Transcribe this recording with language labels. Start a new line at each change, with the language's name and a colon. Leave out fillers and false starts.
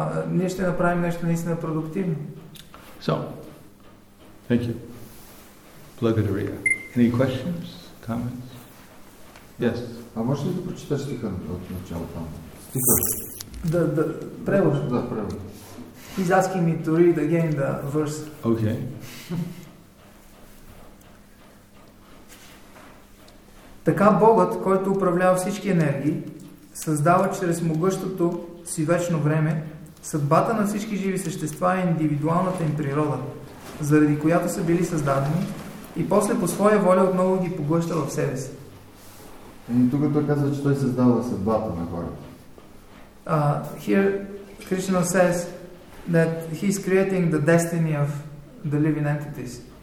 Bulgarian: Ние ще направим нещо наистина продуктивно.
English: So, thank you.
Bulgarian: Благодаря.
English: Any questions, comments? Yes.
Bulgarian: А можеш ли да прочиташ стиха от начало там? Стиха? Да, превод. Да, превод.
English: He's asking me to read again the verse. Okay.
Bulgarian: Така Богът, който управлява всички енергии, създава чрез могъщото си вечно време, съдбата на всички живи същества е индивидуалната им природа, заради която са били създадени и после по своя воля отново ги поглъща в себе си. И тук той казва, че той създава съдбата на хората.
English: Here Krishna says that he is creating the destiny of the living entities.